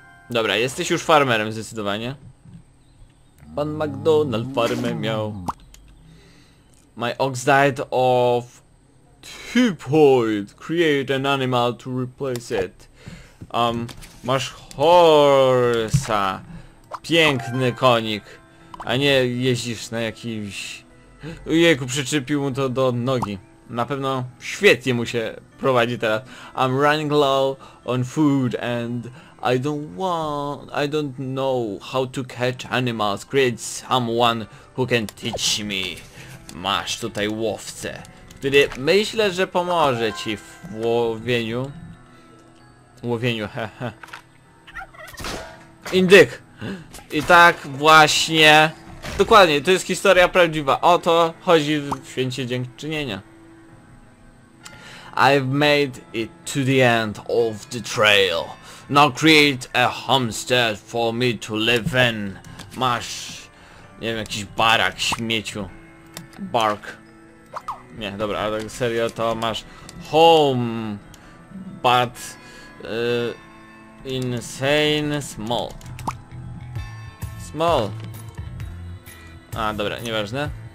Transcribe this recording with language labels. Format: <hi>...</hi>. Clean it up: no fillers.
<pl>Dobra, jesteś już farmerem zdecydowanie. Pan McDonald farmę miał.</pl> <en>My ox died of... typhoid. Create an animal to replace it.</en> <pl>Masz horsa. Piękny konik. A nie jeździsz na jakimś... Ojejku, przyczepił mu to do nogi. Na pewno świetnie mu się prowadzi teraz.</pl> <en>I'm running low on food and I don't know how to catch animals. Create someone who can teach me.</en> <pl>Masz tutaj łowcę, który myślę, że pomoże ci w łowieniu. Łowieniu, hehe. Indyk! I tak właśnie. Dokładnie, to jest historia prawdziwa. O to chodzi w święcie dziękczynienia.</pl> <en>I've made it to the end of the trail. Now create a homestead for me to live in.</en> <pl>Masz, nie wiem, jakiś barak śmieciu. Bark. Nie, dobra, ale serio to masz home.</pl> <en>But insane small. Small.</en> <pl>A, dobra, nieważne.</pl>